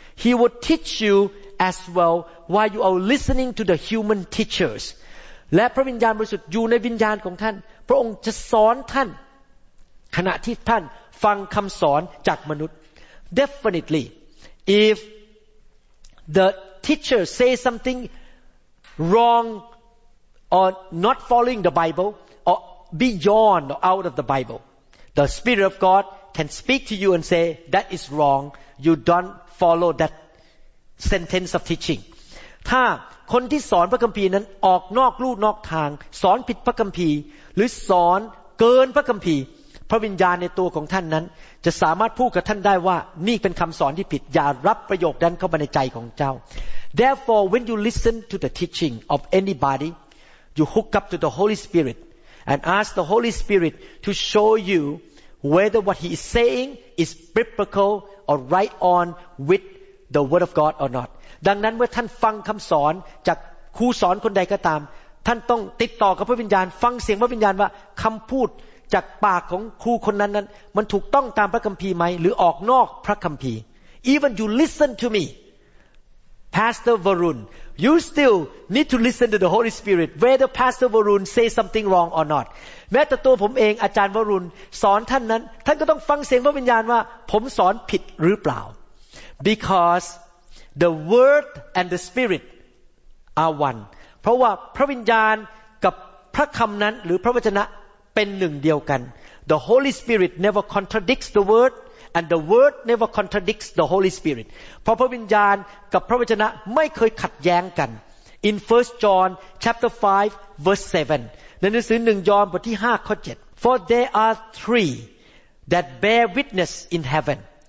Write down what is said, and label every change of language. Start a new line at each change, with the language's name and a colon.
English: He will teach you as well while you are listening to the human teachers.
Thai: และพระวิญญาณบริสุทธิ์อยู่ในวิญญาณของท่านพระองค์จะสอนท่านขณะที่ท่านฟังคำสอนจากมนุษย์
English: Definitely, if the teacher says something wrongOr not following the Bible, or beyond or out of the Bible, the Spirit of God can speak to you and say that is wrong. You don't follow that sentence of teaching.
Thai: ถ้าคนที่สอนพระคัมภีร์นั้นออกนอกลู่นอกทางสอนผิดพระคัมภีร์หรือสอนเกินพระคัมภีร์พระวิญญาณในตัวของท่านนั้นจะสามารถพูดกับท่านได้ว่านี่เป็นคำสอนที่ผิดอย่ารับประโยคนั้นเข้ามาในใจของเจ้า
English: Therefore, when you listen to the teaching of anybody. You hook up to the Holy Spirit and ask the Holy Spirit to show you whether what he is saying is biblical or right on with the Word of God or not.
Thai: ดังนั้นเมื่อท่านฟังคำสอนจากครูสอนคนใดก็ตามท่านต้องติดต่อกับพระวิญญาณฟังเสียงพระวิญญาณว่าคำพูดจากปากของครูคนนั้นนั้นมันถูกต้องตามพระคัมภีร์ไหมหรือออกนอกพระคัมภีร์
English: Even you listen to me. Pastor Varun, you still need to listen to the Holy Spirit, whether Pastor Varun says something wrong or not.
Thai: แม้แต่ตัวผมเองอาจารย์วรุณสอนท่านนั้นท่านก็ต้องฟังเสียงพระวิญญาณว่าผมสอนผิดหรือเปล่า
English: Because the Word and the Spirit are one.
Thai: เพราะว่าพระวิญญาณกับพระคำนั้นหรือพระวจนะเป็นหนึ่งเดียวกัน
English: The Holy Spirit never contradicts the Word. And the word never contradicts the Holy Spirit.
Thai: พระวิญญาณกับพระวจนะไม่เคยขัดแย้งกัน
English: In 1 John chapter 5 verse 7.
Thai: ในหนังสือ1ยอห์นบทที่5ข้อ7.
English: For there are three that bear witness in heaven.